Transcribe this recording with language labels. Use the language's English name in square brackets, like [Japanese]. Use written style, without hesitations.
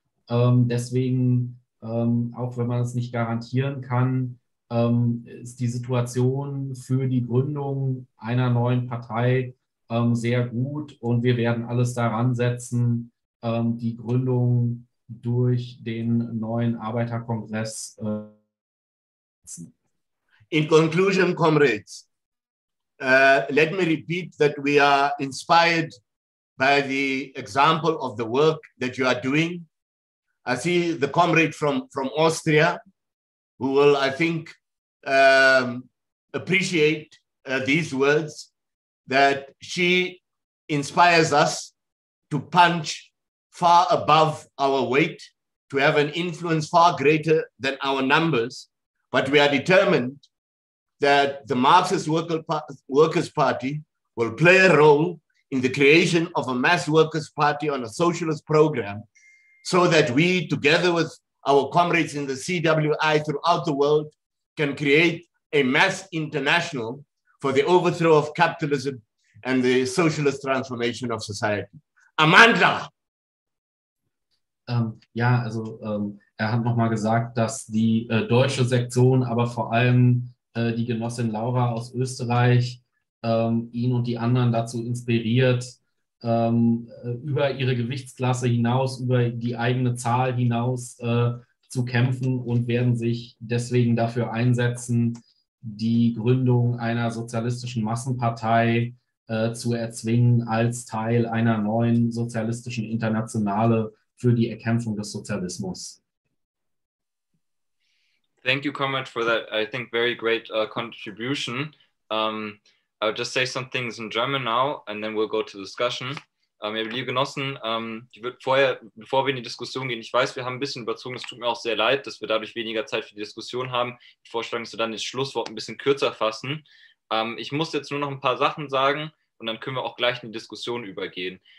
[German] Deswegen, auch wenn man es nicht garantieren kann, ist die Situation für die Gründung einer neuen Partei sehr gut. Und wir werden alles daran setzen, die Gründung durch den neuen Arbeiterkongress. [English] In conclusion, comrades, let me repeat that we are inspired by the example of the work that you are doing. I see the comrade from Austria, who will, I think, appreciate these words, that she inspires us to punch far above our weight, to have an influence far greater than our numbers. But we are determined that the Marxist Workers' Party will play a role in the creation of a mass workers' party on a socialist program, so that we, together with our comrades in the CWI throughout the world, can create a mass international for the overthrow of capitalism and the socialist transformation of society. Amanda! [German] Ja, also er hat nochmal gesagt, dass die deutsche Sektion, aber vor allem die Genossin Laura aus Österreich ihn und die anderen dazu inspiriert, über ihre Gewichtsklasse hinaus, über die eigene Zahl hinaus zu kämpfen, und werden sich deswegen dafür einsetzen, die Gründung einer sozialistischen Massenpartei zu erzwingen als Teil einer neuen sozialistischen Internationale für die Erkämpfung des Sozialismus. [English] Thank you, comrade, for that, I think, very great contribution. I'll just say some things in German now, and then we'll go to the discussion. [German] Liebe Genossen, bevor wir in die Diskussion gehen, ich weiß, wir haben ein bisschen überzogen, es tut mir auch sehr leid, dass wir dadurch weniger Zeit für die Diskussion haben. Ich vorschlage, dass wir dann das Schlusswort ein bisschen kürzer fassen. Ich muss jetzt nur noch ein paar Sachen sagen, und dann können wir auch gleich in die Diskussion übergehen.